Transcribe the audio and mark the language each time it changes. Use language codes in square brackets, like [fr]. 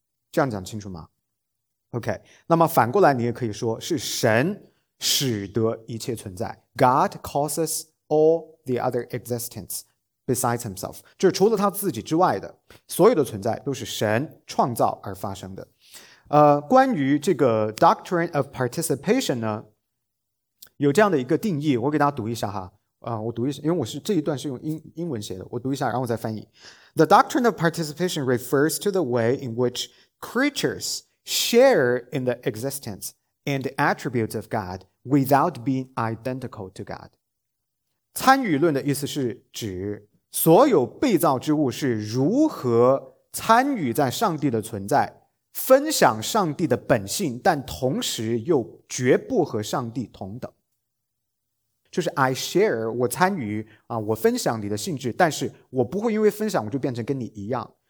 [zh] 这样讲清楚吗？OK， 那么反过来你也可以说是神使得一切存在， [en] God causes all the other existence besides himself， [zh] 就是除了他自己之外的所有的存在都是神创造而发生的。关于这个 [en] doctrine of participation [zh] 呢，有这样的一个定义，我给大家读一下哈。我读一下，因为我是这一段是用英文写的，我读一下，然后再翻译。 [en] The doctrine of participation refers to the way in which creatures share in the existence and attributes of God without being identical to God。 [zh] 参与论的意思是指所有被造之物是如何参与在上帝的存在。分享上帝的本性，但同时又绝不和上帝同等，就是 [en] I share， [zh] 我参与啊，我分享你的性质，但是我不会因为分享我就变成跟你一样。